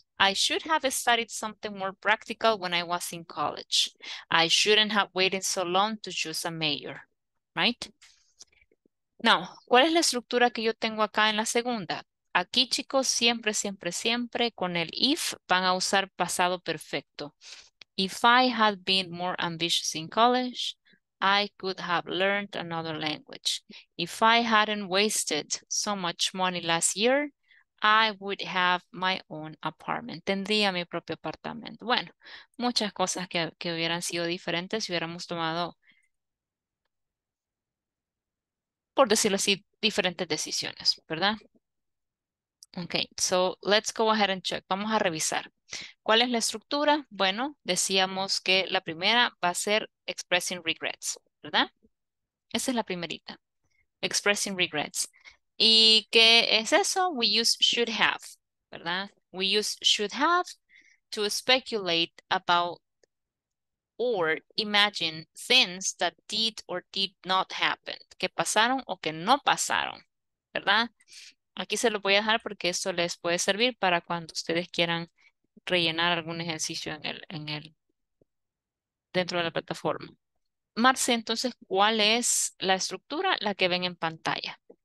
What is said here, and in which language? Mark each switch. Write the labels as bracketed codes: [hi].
[en] I should have studied something more practical when I was in college. I shouldn't have waited so long to choose a major. Right? Now, [es] ¿cuál es la estructura que yo tengo acá en la segunda? Aquí, chicos, siempre, siempre, siempre con el if van a usar pasado perfecto. [en] If I had been more ambitious in college, I could have learned another language. If I hadn't wasted so much money last year, I would have my own apartment. [es] Tendría mi propio apartamento. Bueno, muchas cosas que hubieran sido diferentes si hubiéramos tomado, por decirlo así, diferentes decisiones, ¿verdad? [en] Okay, so let's go ahead and check. [es] Vamos a revisar. ¿Cuál es la estructura? Bueno, decíamos que la primera va a ser expressing regrets, ¿verdad? Esa es la primerita. Expressing regrets. ¿Y qué es eso? [en] We use should have, [es] ¿verdad? [en] We use should have to speculate about or imagine things that did or did not happen. [es] Que pasaron o que no pasaron, ¿verdad? Aquí se lo voy a dejar porque esto les puede servir para cuando ustedes quieran rellenar algún ejercicio en el dentro de la plataforma. Marce, entonces, ¿cuál es la estructura? La que ven en pantalla.